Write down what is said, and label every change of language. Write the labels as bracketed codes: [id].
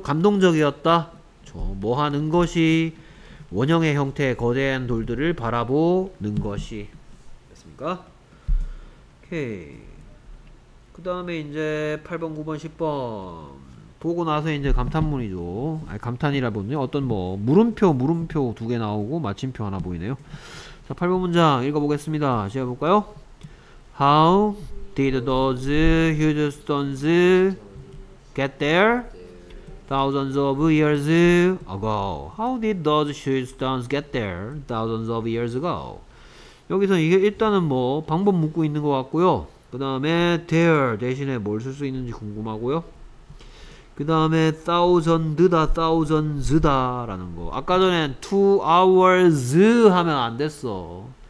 [ko] 감동적이었다. 저 뭐 하는 것이 원형의 형태의 거대한 돌들을 바라보는 것이 됐습니까? 오케이. 그 다음에 이제 8번 9번 10번 보고 나서 이제 감탄문이죠. 아니 감탄이라 보네요. 어떤 뭐 물음표 두 개 나오고 마침표 하나 보이네요. 자 8번 문장 읽어보겠습니다. 시작해 볼까요? [en] How did those huge stones get there thousands of years ago? How did those huge stones get there thousands of years ago? [ko] 여기서 이게 일단은 뭐 방법 묻고 있는 것 같고요. 그 다음에 there 대신에 뭘 쓸 수 있는지 궁금하고요. 그 다음에 thousands다 라는 거. 아까 전엔 [en] two hours [ko] 하면 안 됐어.